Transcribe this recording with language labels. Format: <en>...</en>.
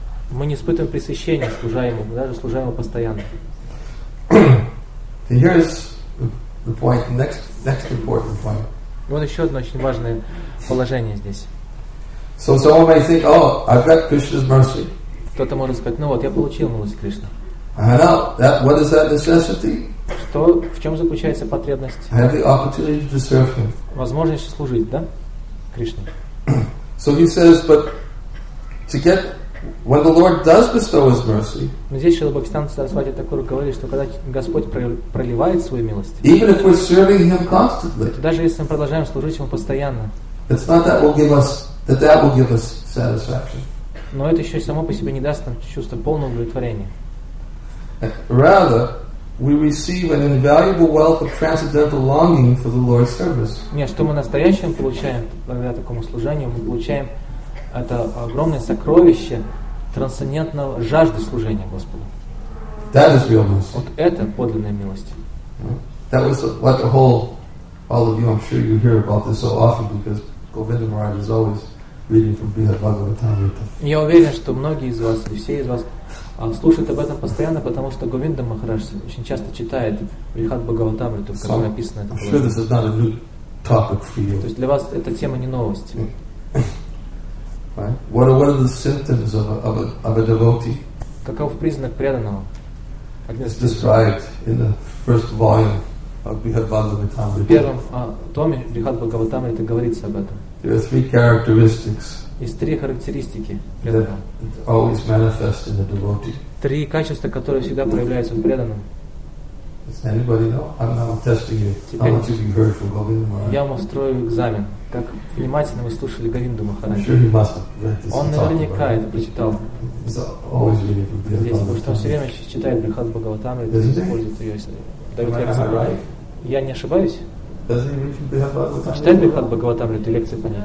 <ru>Мы не испытываем пресыщения, служа Ему, даже служа Ему постоянно.</ru> <en>Here's the next important point.</en> <ru>Вот еще одно очень важное положение здесь.</ru> <en>So someone may think, oh, I've got Krishna's mercy.</en> <ru>Кто-то может сказать, ну вот, я получил милость Кришны.</ru> <en>What is that necessity?</en> <ru>Что, в чем заключается потребность?</ru> <en>I have the opportunity to serve him.</en> <ru>Возможность служить, да, Кришне.</ru> <en>So he says, but to get when the Lord does bestow His mercy.</en> <ru>Но здесь Шрила Бхактисиддханта Сарасвати Такур говорит, что когда Господь проливает свою милость.</ru> <en>Even if we're serving Him constantly.</en> <ru>Даже если мы продолжаем служить Ему постоянно.</ru> <en>It's not that will give us satisfaction.</en> <ru>Но это еще само по себе не даст нам чувство полного удовлетворения.</ru> <en>Rather, we receive an invaluable wealth of transcendental longing for the Lord's service.</en> <ru>Нет, что мы настоящим получаем благодаря такому служению, мы получаем это огромное сокровище трансцендентного жажды служения Господу.</ru> <en>That is real mercy.</en> <ru>Вот это подлинная милость.</ru> <en>That was what the whole, all of you, I'm sure you hear about this so often because Govinda Maharaj is always reading from Bhagavad Bhagavatamrita.</en> <ru>Я уверен, что многие из вас, и все из вас, слушает об этом постоянно, потому что Говинда Махарадж очень часто читает Брихат Бхагаватамриту, в котором написано это. То есть для вас эта тема не новость.</ru> <en>Right? What are the symptoms of a devotee?</en> <ru>Каков признак преданного?</ru> <en>It's described in the first volume of Brihat Bhagavatamrita.</en> <ru>В первом томе Брихат Бхагаватамрита говорится об этом.</ru> <en>There are three characteristics.</en> <ru>Есть три характеристики.</ru> <en>Always manifest in the devotee.</en> <ru>Три качества, которые всегда проявляются в преданном.</ru> <en>Does anybody know? I'm testing you. How much have you heard from Govinda Maharaj?</en> <ru>Я вам устрою экзамен. как внимательно мы слушали Говинду Махараджа. Он наверняка это прочитал. Здесь, потому что он все время читает Брихат Бхагаватамри, использует ее, дает лекции. Я не ошибаюсь? Он читает Брихат Бхагаватамри, эту лекцию по ней?</ru>